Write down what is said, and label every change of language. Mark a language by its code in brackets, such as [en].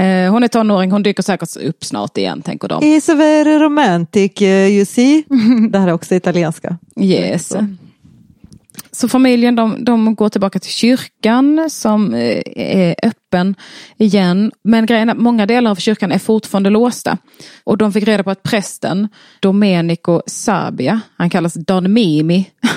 [sv] Hon är tonåring, hon dyker säkert upp snart igen, tänker de. [en] It's a very romantic, you see. [sv] Det här är också italienska. [en] Yes. [sv] Så familjen, de går tillbaka till kyrkan som är öppen igen. Men grejen är att många delar av kyrkan är fortfarande låsta. Och de fick reda på att prästen, Domenico Sabia, han kallas Don Mimi.